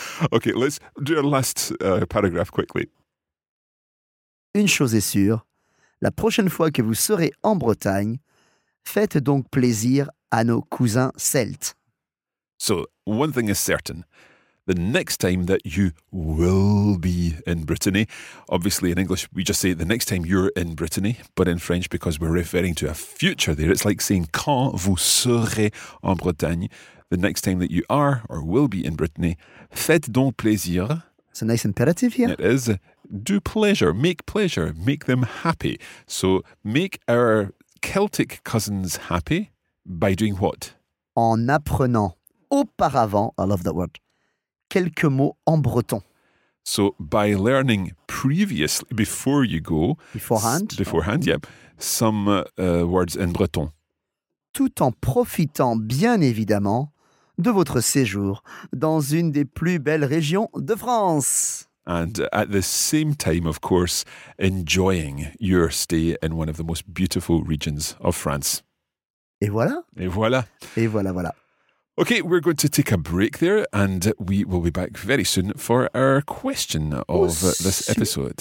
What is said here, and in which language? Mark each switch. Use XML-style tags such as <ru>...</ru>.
<en>Okay, let's do our last paragraph quickly.</en> <fr>Une chose est sûre. La prochaine fois que vous serez en Bretagne, faites donc plaisir à nos cousins celtes.</fr> <en>So, one thing is certain. The next time that you will be in Brittany, obviously in English we just say the next time you're in Brittany, but in French because we're referring to a future there, it's like saying</en> <fr>quand vous serez en Bretagne,</fr> <en>the next time that you are or will be in Brittany,</en> <fr>faites donc plaisir.</fr> <en>It's a nice imperative here. It is. Do pleasure, make them happy. So make our Celtic cousins happy by doing what?</en> <fr>En apprenant auparavant,</fr> <en>I love that word,</en> <fr>quelques mots en breton.</fr> <en>So by learning previously, before you go. Beforehand, yeah. Some words in breton.</en> <fr>Tout en profitant bien évidemment de votre séjour dans une des plus belles régions de France.</fr> <en>And at the same time, of course, enjoying your stay in one of the most beautiful regions of France.</en> <fr>Et voilà. Et voilà. Et voilà, voilà.</fr> <en>Okay, we're going to take a break there and we will be back very soon for our question of this episode.</en>